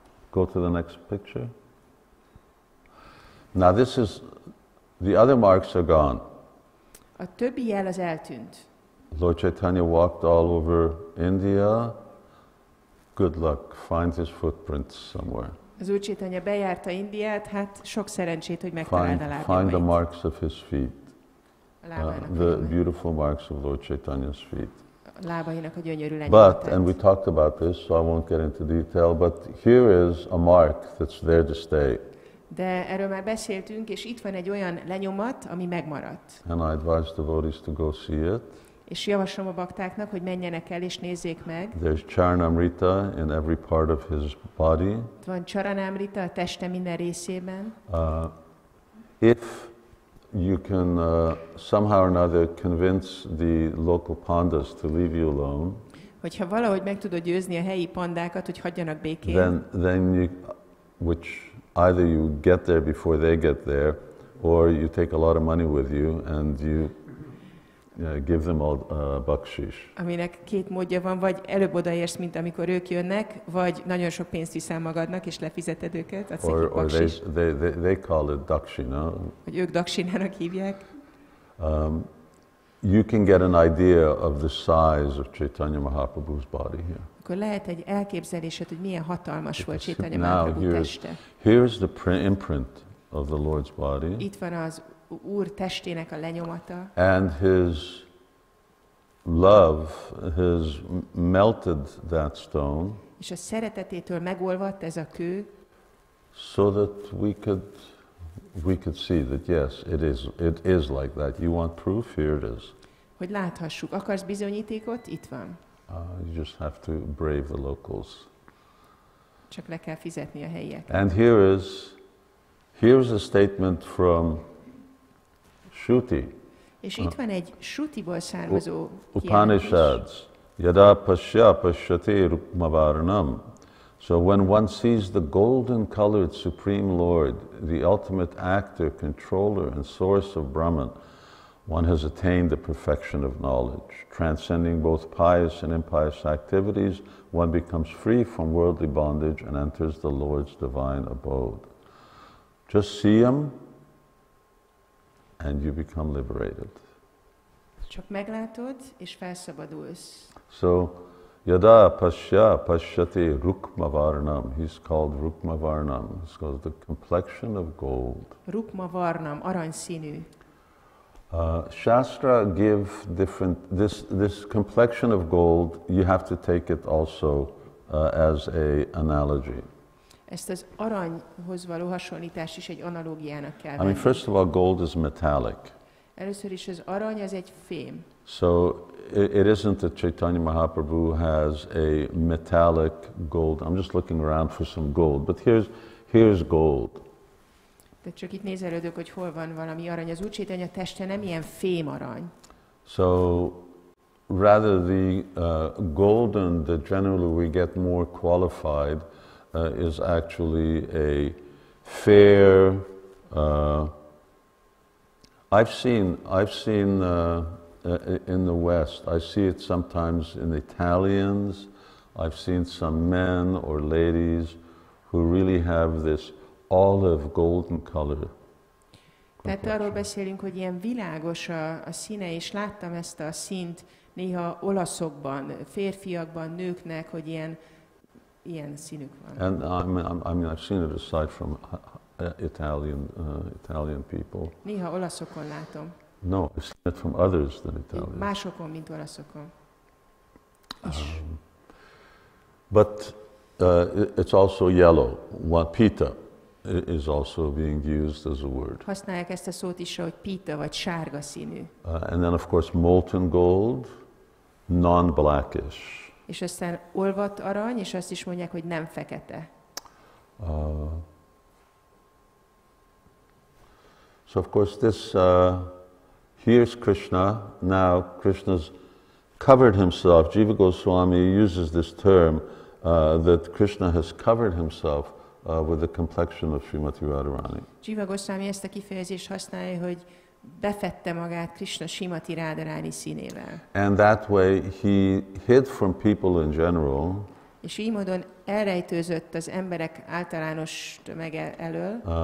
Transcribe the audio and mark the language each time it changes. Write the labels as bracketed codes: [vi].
[en] Go to the next picture. Now this is, the other marks are gone. [hu] A többi jel az eltűnt. [en] Lord Chaitanya walked all over India. Good luck, find his footprints somewhere. [hu] Az Úr Chaitanya bejárta Indiát, hát sok szerencsét, hogy megtalálta lábnyomait. [en] Find the marks of his feet. The beautiful marks of Lord Chaitanya's feet. [hu] Lábainak a gyönyörű lenyomatát. [en] But, and we talked about this, so I won't get into detail, but here is a mark that's there to stay. [hu] De erről már beszéltünk, és itt van egy olyan lenyomat, ami megmaradt. [en] And I advise the devotees to go see it. [hu] És javaslom a baktáknak, hogy menjenek el és nézzék meg. [en] There's charanamrita in every part of his body. [hu] Van charanamrita a teste minden részében. [en] If you can somehow or another convince the local pandas to leave you alone. [hu] Hogyha valahogy meg tudod győzni a helyi pandákat, hogy hagyjanak békén. [en] Then either you get there before they get there, or you take a lot of money with you and you. Yeah, give them all bakshish. [hu] Aminek két módja van, vagy előbb odaérsz, mint amikor ők jönnek, vagy nagyon sok pénzt viszel magadnak, és lefizeted őket, adsz egy bakshish. [en] They call it dakshina. [hu] Vagy ők dakshinának hívják. [en] You can get an idea of the size of Chaitanya Mahaprabhu's body here. [hu] Akkor lehet egy elképzelésed, hogy milyen hatalmas volt Chaitanya Mahaprabhu teste. [en] Here's the imprint of the Lord's body. [hu] Itt van az Úr testének a lenyomata. [en] And his love has melted that stone. [hu] És a szeretetétől megolvadt ez a kő. [en] So that we could see that yes, it is like that. You want proof? Here it is. [hu] Hogy láthassuk, akarsz bizonyítékot? Itt van. [en] You just have to brave the locals. [hu] Csak le kell fizetni a helyieket. [en] And here is a statement from Shruti. [hu] És itt van egy Shrutiból származó kiállítás. [sa] Upanishads. Yada pasya pasyate rukmavarnam. [en] So when one sees the golden colored Supreme Lord, the ultimate actor, controller and source of Brahman, one has attained the perfection of knowledge. Transcending both pious and impious activities, one becomes free from worldly bondage and enters the Lord's divine abode. Just see him, and you become liberated. [hu] Csak meglátod és felszabadulsz. [en] So [sa] yada pasya pasyate rukmavarnam, [en] he's called rukmavarnam, it's called the complexion of gold. [hu] Rukmavarnam, aranyszínű. [en] Shastra give different this complexion of gold. You have to take it also as a analogy. [hu] Ezt az aranyhoz való hasonlítás is egy analógiának kell venni. [en] I mean, first of all, gold is metallic. [hu] Először is az arany az egy fém. [en] So it isn't that Chaitanya Mahaprabhu has a metallic gold. I'm just looking around for some gold, but here's gold. [hu] De csak itt nézelődök, hogy hol van valami arany. Az Úr Chaitanya teste nem ilyen fém arany. [en] So rather the golden that generally we get more qualified is actually a fair. I've seen in the West. I see it sometimes in Italians. I've seen some men or ladies who really have this olive golden color. [hu] Tehát arról beszélünk, hogy ilyen világos a színe, és láttam ezt a színt néha olaszokban, férfiakban, nőknek, hogy ilyen színük van. [en] And I mean, I've seen it aside from Italian people. [hu] Néha olaszokon látom. [en] No, I've seen it from others than Italians. [hu] Másokon, mint olaszokon. [en] But it's also yellow. Pita is also being used as a word. [hu] Használják ezt a szót is, hogy pita vagy sárga színű. [en] And then of course molten gold, non-blackish. [hu] És aztán olvadt arany, és azt is mondják, hogy nem fekete. [en] So of course this here's Krishna. Now Krishna's covered himself. Jiva Goswami uses this term that Krishna has covered himself with the complexion of Srimati Radharani. [hu] Jiva Goswami ezt a kifejezést használja, hogy befette magát Krishna Srimati Radharani színével. [en] And that way he hid from people in general. [hu] És így módon elrejtőzött az emberek általános tömege elől.